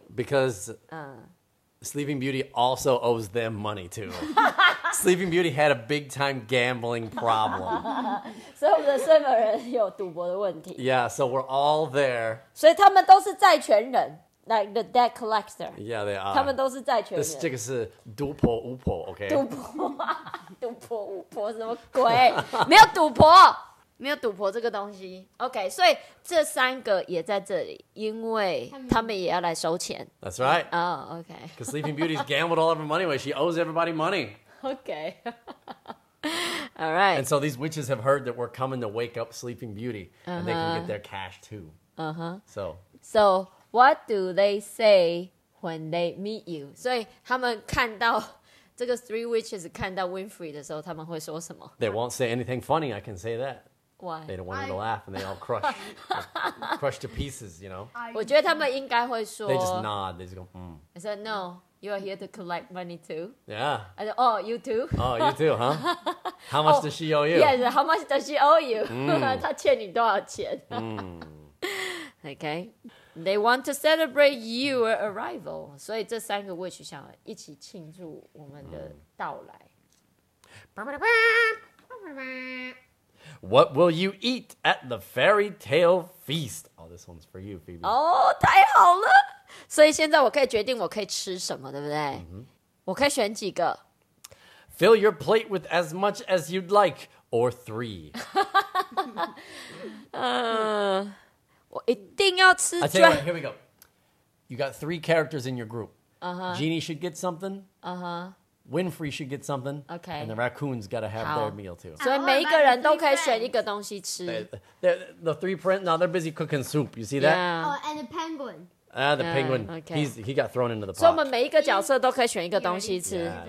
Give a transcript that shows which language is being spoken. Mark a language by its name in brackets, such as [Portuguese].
[English] Because Sleeping Beauty also owes them money too. Sleeping Beauty had a big time gambling problem. [Chinese] 所以我们的睡美人有赌博的问题。 [English] Yeah, so we're all there. [Chinese] 所以他们都是债权人。 [English] Like the debt collector. Yeah, they are. [Chinese] 他们都是债权人。这个是赌婆巫婆 ，OK？赌婆巫婆什么鬼？没有赌婆，没有赌婆这个东西。OK， 所以这三个也在这里，因为他们也要来收钱。 [English] That's right. Oh, OK. Because Sleeping Beauty's gambled all of her money away. She owes everybody money. OK. All right. And so these witches have heard that we're coming to wake up Sleeping Beauty,、uh-huh. and they can get their cash too. Uh huh. So. What do they say when they meet you? [Chinese] 所以他们看到这个 [English] three witches [Chinese] 看到 Winfrey 的时候，他们会说什么？ [English] They won't say anything funny. I can say that. Why? They don't want to laugh, and they all crush, crush to pieces. You know. [Chinese] 我觉得他们应该会说。 [English] They just nod. They just go. I said no. You are here to collect money too. Yeah. I said, oh, you too. Oh, you too, huh? How much does she owe you? Yes. How much does she owe you? [Chinese] 她欠你多少钱？ [English] Okay. They want to celebrate your arrival. So these three witches want to celebrate our arrival. Ba ba ba ba ba ba ba ba ba ba. What will you eat at the fairy tale feast? Oh, this one's for you, Phoebe. [Chinese] Oh, 太好了！所以现在我可以决定我可以吃什么，对不对？ Mm-hmm. 我可以选几个 [English] ？Fill your plate with as much as you'd like, or three. I'll tell you what, here we go. You got three characters in your group. Uh-huh. Uh-huh. Genie should get something. Uh-huh. Winfrey should get something. Okay. And the raccoons got to have their meal too. So every person can choose one thing to eat. The three prints, now they're busy cooking soup. You see that? Yeah. Oh, and the penguin. Penguin. Okay. He got thrown into the pot. [Chinese] So 我们每一个角色都可以选一个东西吃。